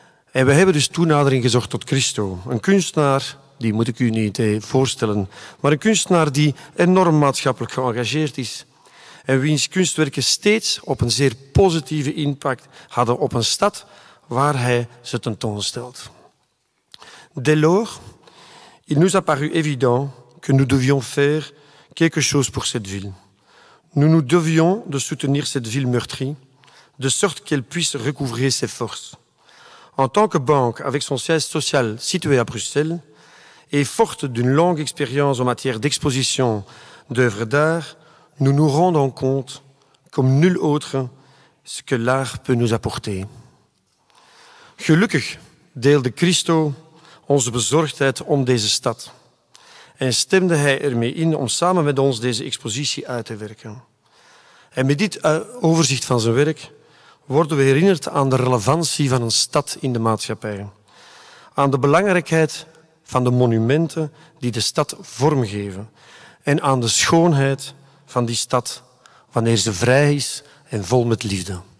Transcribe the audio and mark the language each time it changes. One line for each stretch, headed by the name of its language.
Dutch: En we hebben dus toenadering gezocht tot Christo, een kunstenaar, die moet ik u niet voorstellen, maar een kunstenaar die enorm maatschappelijk geëngageerd is en wiens kunstwerken steeds op een zeer positieve impact hadden op een stad waar hij ze tentoonstelt.
French: Dès lors, il nous a paru évident que nous devions faire quelque chose pour cette ville. Nous nous devions de soutenir cette ville meurtrie, de sorte qu'elle puisse recouvrer ses forces. En tant que banque, avec son siège social situé à Bruxelles, et forte d'une longue expérience en matière d'exposition d'œuvres d'art, nous nous rendons compte, comme nul autre, ce que l'art peut nous apporter.
Dutch: Gelukkig deelde Christo onze bezorgdheid om deze stad en stemde hij ermee in om samen met ons deze expositie uit te werken. En met dit overzicht van zijn werk worden we herinnerd aan de relevantie van een stad in de maatschappij, aan de belangrijkheid van de monumenten die de stad vormgeven en aan de schoonheid van die stad wanneer ze vrij is en vol met liefde.